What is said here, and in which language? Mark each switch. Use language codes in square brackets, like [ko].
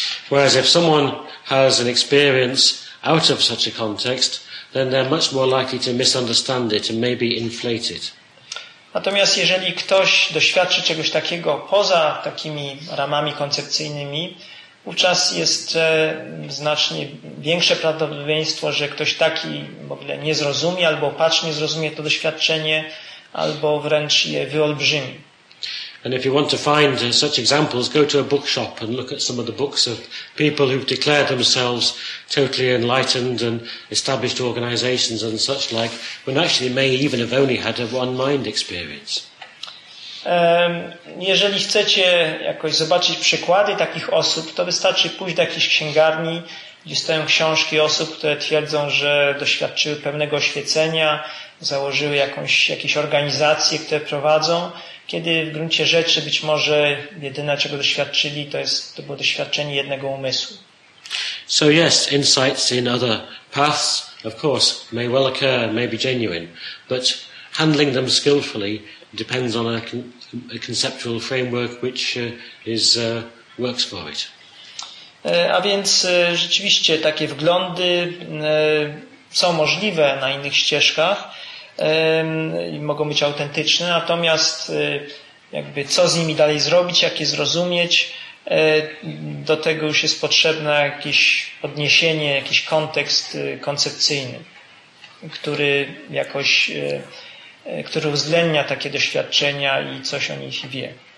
[en] Whereas if someone has an experience out of such a context, then they're much more likely to misunderstand it and maybe inflate it. [pl] Natomiast jeżeli ktoś doświadczy czegoś takiego poza takimi ramami koncepcyjnymi, wówczas jest znacznie większe prawdopodobieństwo, że ktoś taki w ogóle nie zrozumie albo opacznie zrozumie to doświadczenie, albo wręcz je wyolbrzymi. [en] And if you want to find such examples, go to a bookshop and look at some of the books of people who've declared themselves totally enlightened and established organizations and such like, when actually may even have only had a one-mind experience. [pl] Jeżeli chcecie jakoś zobaczyć przykłady takich osób, to wystarczy pójść do jakiejś księgarni, gdzie stoją książki osób, które twierdzą, że doświadczyły pewnego oświecenia, założyły jakieś organizacje, które prowadzą, kiedy w gruncie rzeczy być może jedyne, czego doświadczyli, to było doświadczenie jednego umysłu. [en] So yes, insights in other paths, of course, may well occur, may be genuine, but handling them skillfully depends on a conceptual framework which is works for it. [pl] A więc rzeczywiście takie wglądy są możliwe na innych ścieżkach i mogą być autentyczne, natomiast jakby co z nimi dalej zrobić, jak je zrozumieć, do tego już jest potrzebne jakieś odniesienie, jakiś kontekst koncepcyjny, który jakoś który uwzględnia takie doświadczenia i coś o nich wie.